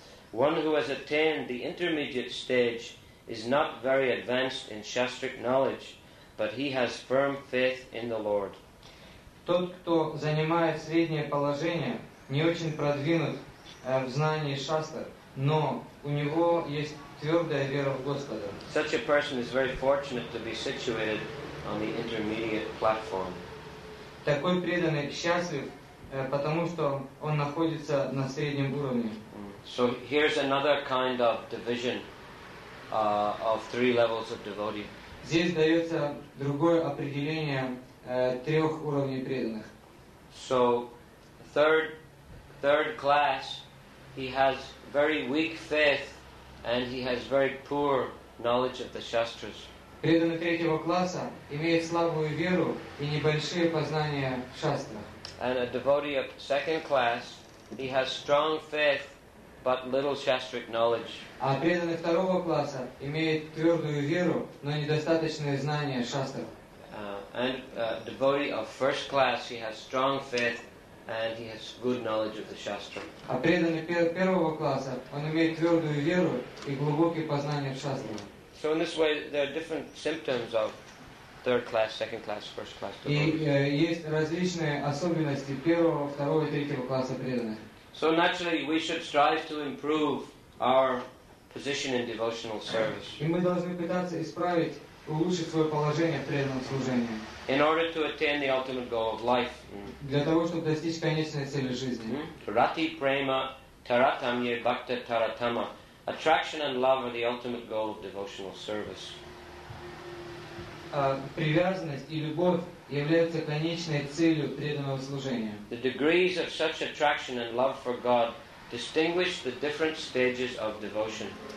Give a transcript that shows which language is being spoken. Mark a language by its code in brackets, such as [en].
[en] One who has attained the intermediate stage is not very advanced in shastric knowledge, but he has firm faith in the Lord. [ru] Тот, кто занимает среднее положение, не очень продвинут в знании шастр, но у него есть твердая вера в Господа. [en] Such a person is very fortunate to be situated on the intermediate platform. [ru] Такой преданный счастлив, потому что он находится на среднем уровне. [en] So here's another kind of division of three levels of devotee. [ru] Здесь дается другое определение трех уровней преданных. [en] So third class, he has very weak faith and he has very poor knowledge of the shastras. [ru] Преданный третьего класса имеет слабую веру и небольшие познания шастр. [en] And a devotee of second class, he has strong faith but little shastric knowledge. [ru] А преданный второго класса имеет твердую веру, но недостаточные знания шастр. [en] And a devotee of first class, he has strong faith and he has good knowledge of the shastra. [ru] А преданный первого класса, он имеет твердую веру и глубокие познания шастр. [en] So in this way, there are different symptoms of third class, second class, first class devotees. [ru] И есть различные особенности первого, второго и третьего класса преданных. [en] So naturally, we should strive to improve our position in devotional service. [ru] И мы должны пытаться исправить, улучшить свое положение в преданном служении. [en] In order to attain the ultimate goal of life. [ru] Для того, чтобы достичь конечной цели жизни. [bn] Rati prema taratam ye bhakta taratama. [en] Attraction and love are the ultimate goal of devotional service. [ru] Привязанность и любовь являются конечной целью преданного служения. [en] The degrees of such attraction and love for God distinguish the different stages of devotion.